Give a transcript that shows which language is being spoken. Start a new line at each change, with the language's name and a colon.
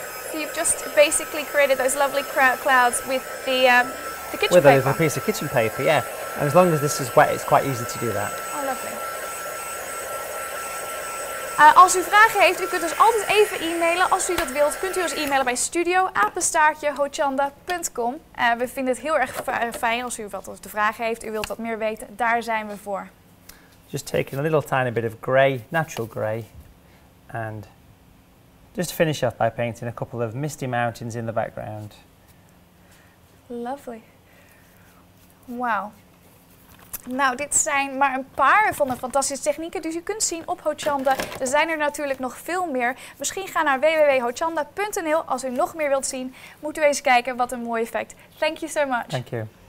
English: So you've just basically created those lovely clouds with the kitchen paper. With a piece of kitchen paper, yeah. And as long as this is wet, it's quite easy to do that.
Dutch: Als u vragen heeft, u kunt dus altijd even e-mailen. Als u dat wilt, kunt u ons e-mailen bij studio@hochanda.com. We vinden het heel erg fijn als u wat te vragen heeft. U wilt wat meer weten, daar zijn we voor.
English: Just taking a little tiny bit of grey, natural grey. And just to finish off by painting a couple of misty mountains in the background. Lovely. Wow.
Dutch: Nou, dit zijn maar een paar van de fantastische technieken die u kunt zien op Hochanda. Er zijn er natuurlijk nog veel meer. Misschien ga naar www.hochanda.nl als u nog meer wilt zien. Moet u eens kijken, wat een mooi effect.
English: Thank you so much. Thank you.